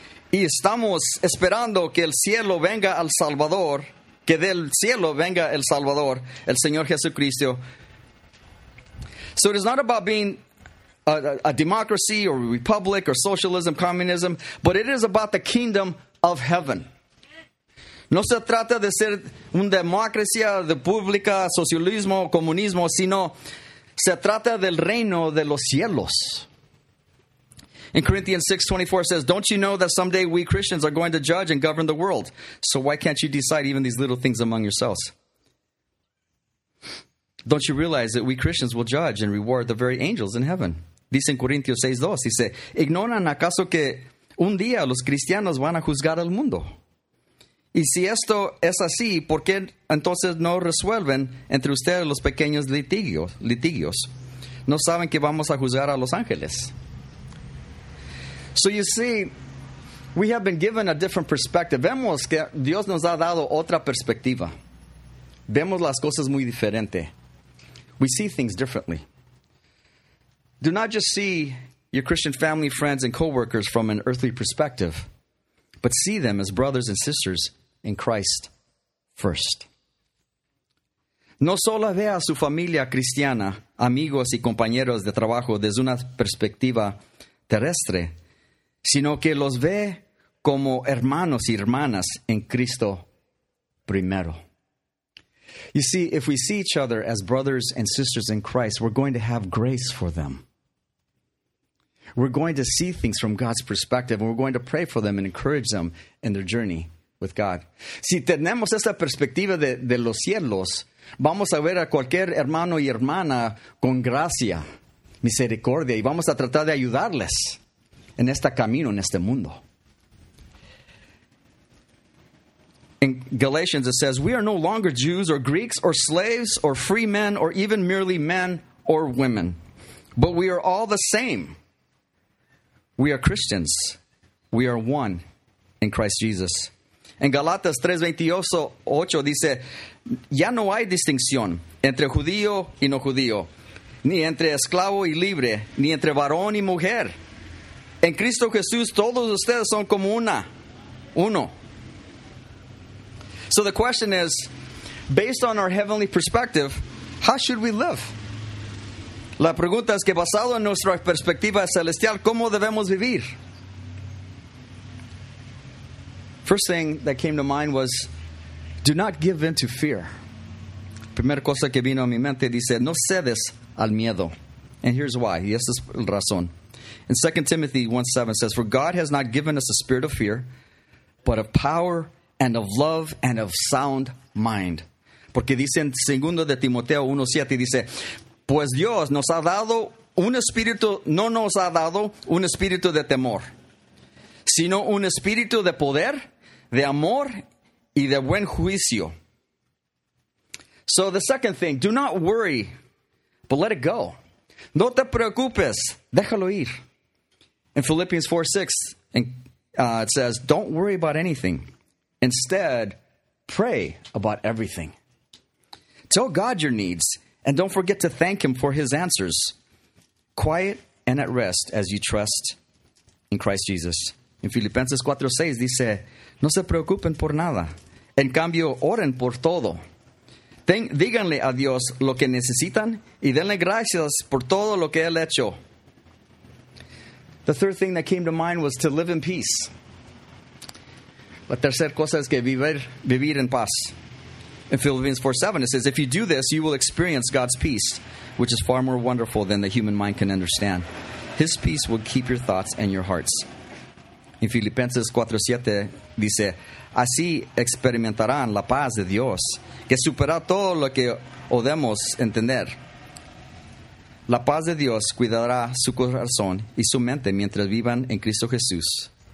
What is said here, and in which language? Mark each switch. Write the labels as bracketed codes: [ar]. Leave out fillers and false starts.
[es] Y estamos esperando que el cielo venga al Salvador, que del cielo venga el Salvador, el Señor Jesucristo. [en] So it is not about being a democracy or a republic or socialism, communism, but it is about the kingdom of heaven. [es] No se trata de ser una democracia, república, socialismo, comunismo, sino se trata del reino de los cielos. [en] In Corinthians 6:24 says, don't you know that someday we Christians are going to judge and govern the world? So why can't you decide even these little things among yourselves? Don't you realize that we Christians will judge and reward the very angels in heaven? [es] Dice en Corintios 6:2, dice, ¿ignoran acaso que un día los cristianos van a juzgar al mundo? Y si esto es así, ¿por qué entonces no resuelven entre ustedes los pequeños litigios? ¿No saben que vamos a juzgar a los ángeles? [en] So you see, we have been given a different perspective. [es] Vemos que Dios nos ha dado otra perspectiva. Vemos las cosas muy diferente. [en] We see things differently. Do not just see your Christian family, friends, and coworkers from an earthly perspective, but see them as brothers and sisters in Christ first. [es] No solo ve a su familia cristiana, amigos y compañeros de trabajo desde una perspectiva terrestre, sino que los ve como hermanos y hermanas en Cristo primero. [en] You see, if we see each other as brothers and sisters in Christ, we're going to have grace for them. We're going to see things from God's perspective, and we're going to pray for them and encourage them in their journey with God. [es] Si tenemos esta perspectiva de los cielos, vamos a ver a cualquier hermano y hermana con gracia, misericordia, y vamos a tratar de ayudarles en este camino, en este mundo. [en] In Galatians it says, we are no longer Jews or Greeks or slaves or free men or even merely men or women, but we are all the same. We are Christians. We are one in Christ Jesus. [es] En Galatas 3:28 dice, ya no hay distinción entre judío y no judío, ni entre esclavo y libre, ni entre varón y mujer. En Cristo Jesús, todos ustedes son como uno. [en] So the question is, based on our heavenly perspective, how should we live? [es] La pregunta es que basado en nuestra perspectiva celestial, ¿cómo debemos vivir? [en] First thing that came to mind was, do not give in to fear. [es] Primera cosa que vino a mi mente dice, no cedes al miedo. [en] And here's why. [es] Y esta es la razón. [en] In 2 Timothy 1:7 says, for God has not given us a spirit of fear, but of power and of love and of sound mind. [es] Porque dice en 2 Timoteo 1:7, dice, pues Dios nos ha dado un espíritu, no nos ha dado un espíritu de temor, sino un espíritu de poder, de amor y de buen juicio. [en] So the second thing, do not worry, but let it go. [es] No te preocupes, déjalo ir. [en] In Philippians 4:6, it says, don't worry about anything. Instead, pray about everything. Tell God your needs, and don't forget to thank him for his answers. Quiet and at rest as you trust in Christ Jesus. [es] In Filipenses 4:6 dice, no se preocupen por nada. En cambio, oren por todo. Díganle a Dios lo que necesitan y denle gracias por todo lo que él hecho. [en] The third thing that came to mind was to live in peace. [es] La tercera cosa es que vivir en paz. [en] In Philippians 4:7 it says, if you do this, you will experience God's peace, which is far more wonderful than the human mind can understand. His peace will keep your thoughts and your hearts. [es] In Filipenses 4:7 dice, así experimentarán la paz de Dios, que supera todo lo que podemos entender. La paz de Dios cuidará su corazón y su mente mientras vivan en Cristo Jesús.